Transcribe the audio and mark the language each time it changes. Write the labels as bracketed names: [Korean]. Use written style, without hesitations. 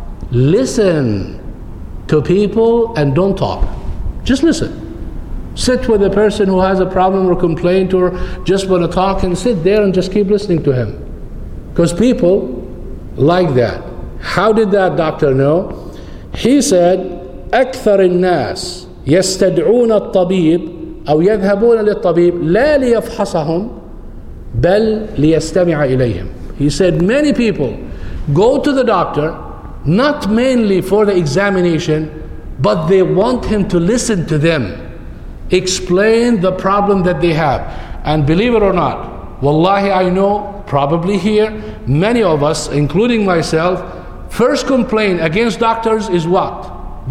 [English] Listen to people and don't talk. Just listen. Sit with a person who has a problem or complaint or just want to talk, and sit there and just keep listening to him. Because people like that. How did that doctor know? He said, [Arabic] أكثر الناس يستدعون الطبيب أو يذهبون للطبيب لا ليفحصهم بل ليستمع إليهم. [English] He said, many people go to the doctor not mainly for the examination, but they want him to listen to them, explain the problem that they have. And believe it or not, wallahi, I know, probably here, many of us, including myself, first complaint against doctors is what?